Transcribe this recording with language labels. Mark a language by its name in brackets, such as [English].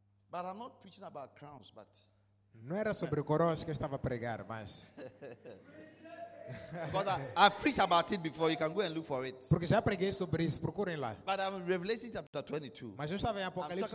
[English] But I'm not preaching about crowns, but [Portuguese] não era sobre coroas que eu estava a pregar, mas [English] because I've preached about it before, you can go and look for it. [Portuguese] Porque já preguei sobre isso, procurem lá. [English] But I'm in Revelation chapter 22. [Portuguese] Mas eu estava em Apocalipse.